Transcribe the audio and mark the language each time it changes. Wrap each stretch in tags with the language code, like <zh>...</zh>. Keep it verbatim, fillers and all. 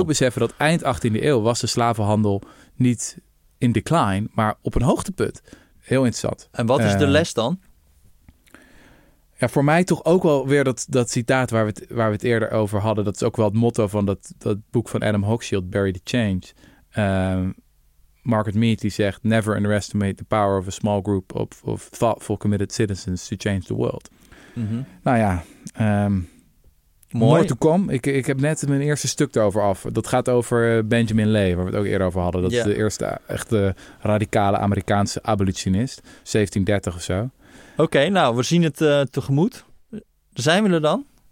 <nl>ook beseffen dat eind achttiende eeuw was de slavenhandel niet in decline, maar op een hoogtepunt. Heel interessant. En wat is de Eh, les dan? Ja, voor mij toch ook wel weer dat, dat citaat waar we, het, waar we het eerder over hadden. Dat is ook wel het motto van dat, dat boek van Adam Hochschild, Bury the Change. Ehm, Margaret Mead die zegt...</nl> <en>Never underestimate the power of a small group of, of thoughtful committed citizens to change the world. Mm-hmm.</en> <nl>Nou ja, um, mooi.</nl> <en>More to come.</en> <nl>Ik, ik heb net mijn eerste stuk daarover af. Dat gaat over Benjamin Lee, waar we het ook eerder over hadden. Dat yeah. is de eerste echte radicale Amerikaanse abolitionist. zeventien dertig of zo. Oké, okay, nou, we zien het uh, tegemoet. Zijn we er dan?</nl>